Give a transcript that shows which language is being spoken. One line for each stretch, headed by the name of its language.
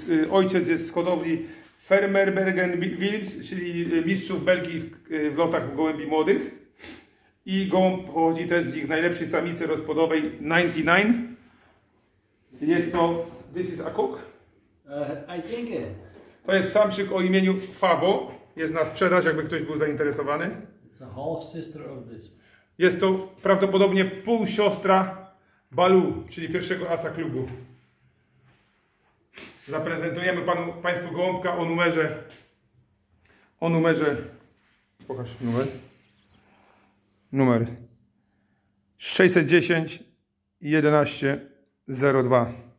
Polish: Ojciec jest z hodowli Fermer Bergen Wilds, czyli mistrzów Belgii w lotach gołębi młodych. I gołąb pochodzi też z ich najlepszej samicy rozpodowej 99. Jest to...
English: This is a cook? I think it.
Polish: To jest samczyk o imieniu Favo. Jest na sprzedaż, jakby ktoś był zainteresowany.
English: It's a half sister of this.
Polish: Jest to prawdopodobnie półsiostra Balu, czyli pierwszego asa klubu. Zaprezentujemy panu, Państwu gołąbka o numerze. O numerze. Pokaż numer. Numer 610-11-02.